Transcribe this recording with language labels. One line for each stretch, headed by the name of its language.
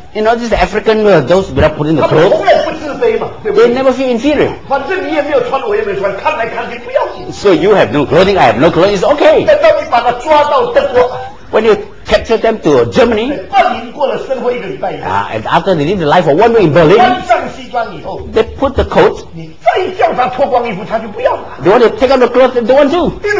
English: ，You know these African those without putting the clothes，
Chinese: 他们从来不自卑嘛
English: ，They never feel inferior。
Chinese: 反正你也没有穿，我也没穿，看来看去不要紧。
English: So you have no clothing, I have no clothes, it's okay。
Chinese: 等到你把他抓到德国。
English: When you capture them to Germany, and after they live the life of one week in Berlin, they put the coat, they want to take off the clothes, they don't want to.